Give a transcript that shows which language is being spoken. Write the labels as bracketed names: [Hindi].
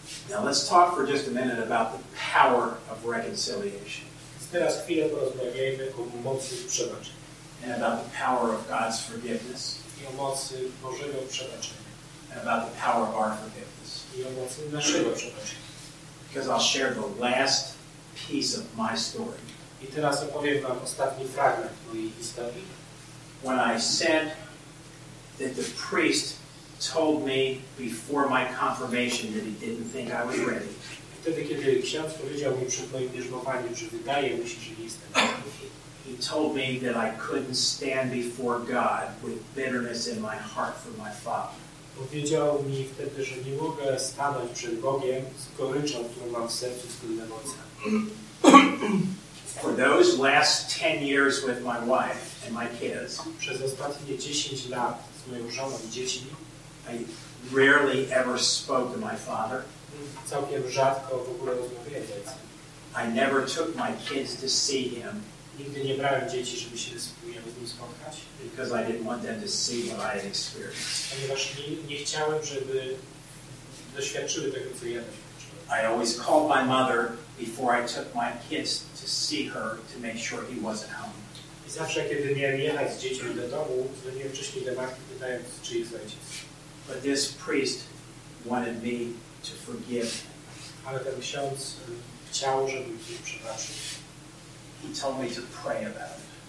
[English] Now let's talk for just a minute about the power of reconciliation. [Polish] Teraz chwilę porozmawiajmy o mocy przebaczenia. [English] And about the power of God's forgiveness. [Polish] I o mocy Bożego przebaczenia. [English] And about the power of our forgiveness. [Polish] I o mocy naszego przebaczenia. [English] Because I'll share the last piece of my story. [Polish] I teraz opowiem wam ostatni fragment mojej historii. [English] When I said that the priest told me before my confirmation that he didn't think I was ready. [Polish] Wtedy, kiedy ksiądz powiedział mi przed moim bierzmowaniem, że wydaje mi się, że nie jestem [English] he told me that I couldn't stand before God with bitterness in my heart for my father. [Polish] Powiedział mi wtedy, że nie mogę stanąć przed Bogiem z goryczą, którą mam w sercu z tym emocjami. [English] For those last 10 years with my wife and my kids, [Polish] przez ostatnie 10 lat z moją żoną i dziećmi, [English] I rarely ever spoke to my father. [Polish] Całkiem rzadko w ogóle rozmawiałem z ojcem. [English] I never took my kids to see him. [Polish] Nigdy nie brałem dzieci, żeby się z nim spotkać. [English] Because I didn't want them to see what I had experienced. [Polish] Ponieważ nie chciałem, żeby doświadczyły tego, co ja doświadczyłem. [English] I always called my mother before I took my kids to see her to make sure he wasn't home. [Polish] I zawsze, kiedy miałem jechać z dziećmi do domu, dzwoniłem wcześniej do matki, pytając, czy jest ojciec. [English] But this priest wanted me to forgive. [Polish] Ale ten ksiądz chciał, żebym mi przebaczył. [English] He told me to pray about it.